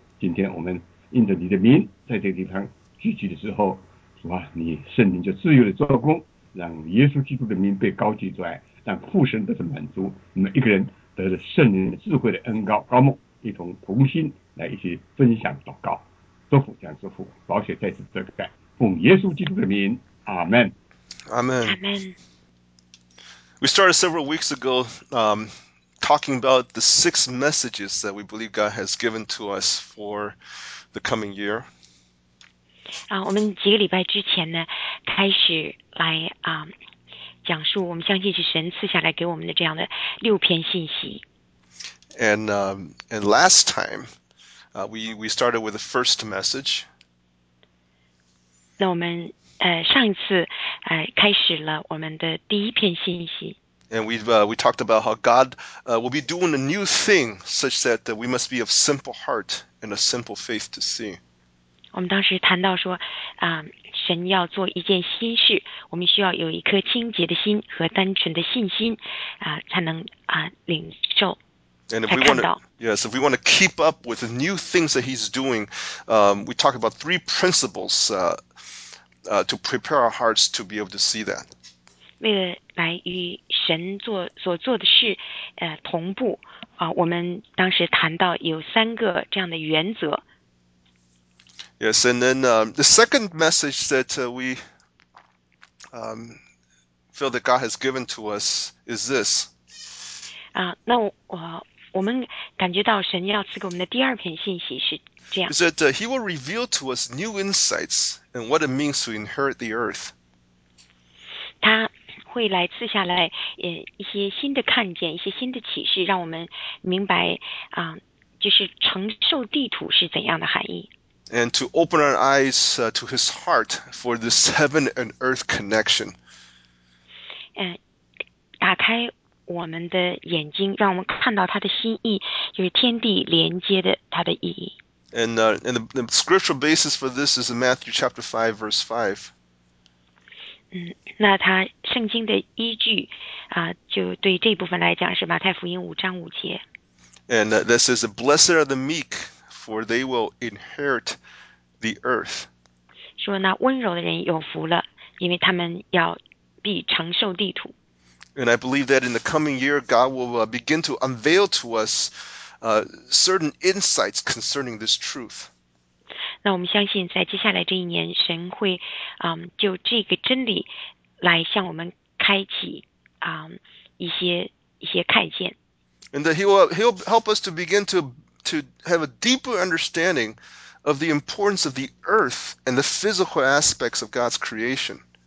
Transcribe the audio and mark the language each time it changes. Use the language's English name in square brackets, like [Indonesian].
[Chinese] 今天我们应着你的名，在这个地方聚集的时候，主啊，你圣灵就自由的做工，让耶稣基督的名被高举出来，让父神得到满足，每一个人得着圣灵的智慧的恩膏高牧，一同同心来一起分享祷告，祝福这样祝福，保险在此遮盖，奉耶稣基督的名，阿门。 [English] Amen. Amen. We started several weeks ago talking about the six messages that we believe God has given to us for the coming year. [Chinese] 我们几个礼拜之前呢，开始来讲述我们相信是神赐下来给我们的这样的六篇信息。 [English] And last time, we started with the first message. [Chinese] 那我们上一次开始了我们的第一篇信息。 [English] And we talked about how God will be doing a new thing such that we must be of simple heart and a simple faith to see. [Chinese] 我们当时谈到说，神要做一件新事，我们需要有一颗清洁的心和单纯的信心，才能领受， [English] And if [Chinese] 才 [English] we want [Chinese] 看 [English] to, [Chinese] 到。 [English] yes, if we want to keep up with the new things that he's doing, we talk about three principles to prepare our hearts to be able to see that. [Chinese] 为了来与神所做的事，同步，我们当时谈到有三个这样的原则。 [English] Yes, and then the second message that we feel that God has given to us is this. [Chinese] 那我们感觉到神要赐给我们的第二篇信息是这样。 [English] Is that he will reveal to us new insights and what it means to inherit the earth. [Chinese] 他会来赐下来一些新的看见，一些新的启示，让我们明白就是承受地土是怎样的含义。 [English] And to open our eyes to his heart for this heaven and earth connection. [Chinese] 打开我们的眼睛，让我们看到他的心意，就是天地连接的他的意义。 [English] And the scriptural basis for this is in Matthew chapter 5, verse 5. [Chinese] 那他圣经的依据就对这部分来讲是马太福音五章五节。 [English] And that says, Blessed are the meek, for they will inherit the earth. [Chinese] 说那温柔的人有福了，因为他们要必承受地土。 [English] And I believe that in the coming year, God will begin to unveil to us certain insights concerning this truth. [Chinese] 那我们相信在接下来这一年，神会就这个真理来向我们开启一些看见。 [English] And that he'll help us to begin to have a deeper understanding of the importance of the earth and the physical aspects of God's creation.